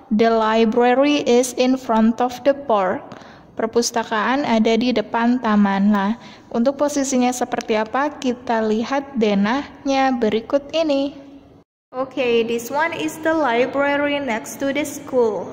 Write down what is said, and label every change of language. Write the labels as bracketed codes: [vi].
[en] The library is in front of the park. [id] Perpustakaan ada di depan taman. Nah, untuk posisinya seperti apa? Kita lihat denahnya berikut ini. [en] Okay, this one is the library next to the school.